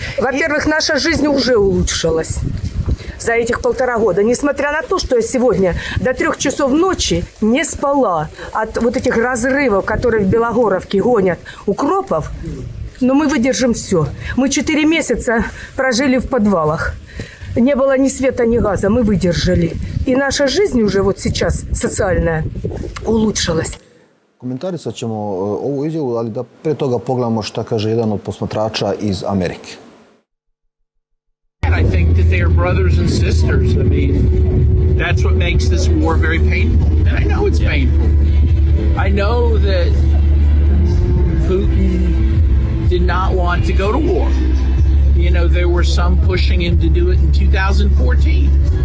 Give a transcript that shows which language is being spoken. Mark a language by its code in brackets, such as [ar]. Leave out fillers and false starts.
[ru] Во-первых, наша жизнь уже улучшилась за этих полтора года, несмотря на то, что я сегодня до 3 часов ночи не спала от вот этих разрывов, которые в Белогоровке гонят укропов, но мы выдержим все. Мы 4 месяца прожили в подвалах. Не было ни света, ни газа. Мы выдержали. И наша жизнь уже вот сейчас социальная улучшилась. [sr] Комментарисать ćemo ovu izjavu, ali da pre toga pogledamo šta kaže jedan od posmatrača iz Amerike. [en] I think that they are brothers and sisters. I mean, that's what makes this war very painful. And I know it's painful. I know that Putin did not want to go to war. You know, there were some pushing him to do it in 2014.